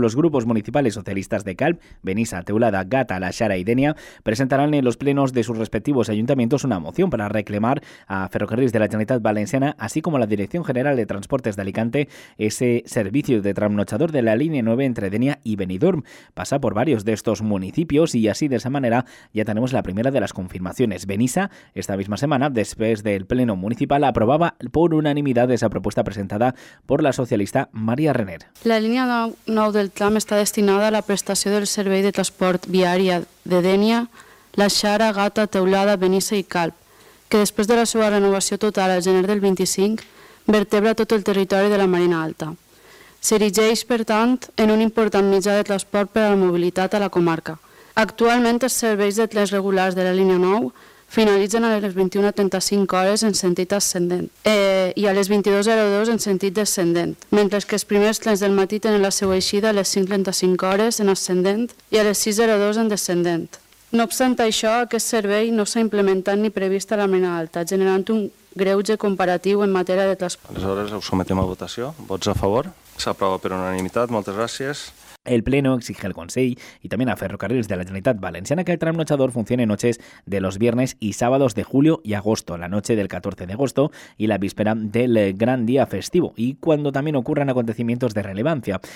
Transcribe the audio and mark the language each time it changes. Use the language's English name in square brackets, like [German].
[Spanish] Los grupos municipales socialistas de Calp, Benissa, Teulada, Gata, La Xara y Denia presentarán en los plenos de sus respectivos ayuntamientos una moción para reclamar a Ferrocarriles de la Generalitat Valenciana, así como a la Dirección General de Transportes de Alicante, ese servicio de tramnochador de la línea 9 entre Denia y Benidorm. Pasa por varios de estos municipios y así de esa manera ya tenemos la primera de las confirmaciones. Benissa, esta misma semana, después del pleno municipal, aprobaba por unanimidad de esa propuesta presentada por la socialista María Renner. [Catalan] La línia 9 del tram està destinada a la prestació del servei de transport viària de Dénia, La Xara, Gata, Teulada, Benissa i Calp, que després de la seva renovació total al gener del 25, vertebra tot el territori de la Marina Alta. S'erigeix, per tant, en un important mitjà de transport per a la mobilitat a la comarca. Actualment, els serveis de trens regulars de la línia 9 finalitzen a les 21:35 hores en sentit ascendent i a les 22:02 en sentit descendent, mentre que els primers trens del matí tenen la seva eixida a les 5:35 hores en ascendent i a les 6:02 en descendent. No obstant això, aquest servei no s'ha implementat ni previst a la Marina Alta, generant un greuge comparatiu en matèria de transport. Aleshores, us sometem a votació. Vots a favor? S'aprova per unanimitat. Moltes gràcies. [Spanish] El Pleno exige al Consell y también a Ferrocarriles de la Generalitat Valenciana que el tramnochador funcione noches de los viernes y sábados de julio y agosto, la noche del 14 de agosto y la víspera del gran día festivo, y cuando también ocurran acontecimientos de relevancia.